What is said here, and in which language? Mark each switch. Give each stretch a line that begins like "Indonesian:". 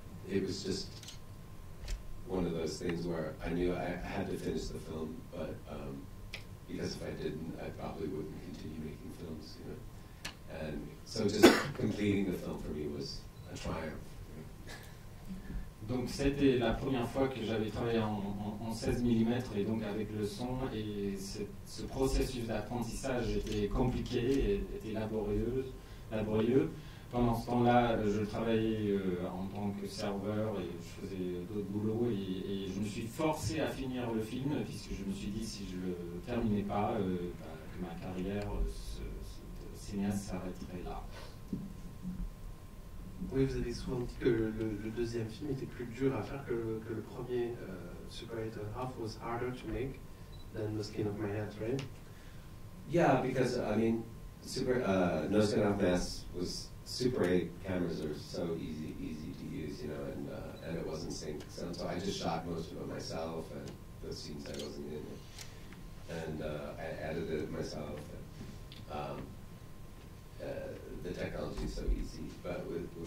English: It was just one of those things where I knew I had to finish the film, but because if I didn't, I probably wouldn't continue making films, you know. And so just completing the film for me was a triumph.
French: Donc c'était la première fois que j'avais travaillé en 16 mm et donc avec le son, et ce processus d'apprentissage était compliqué, était laborieux. Pendant ce temps-là, je travaillais en tant que serveur et je faisais d'autres boulots, et je me suis forcé à finir le film puisque je me suis dit si je ne le terminais pas, que ma carrière de cinéaste s'arrêterait là. Oui, vous avez souvent dit que le deuxième film était plus dur à faire que le premier.
English: Separate Half was harder to make than The Skin of My Head, right? Yeah, because, I mean, No Skin of My Head was Super 8 cameras are so easy to use, you know, and it wasn't sync sound, so I just shot most of it myself, and the scenes I wasn't in, and I edited it myself, the technology is so easy, but with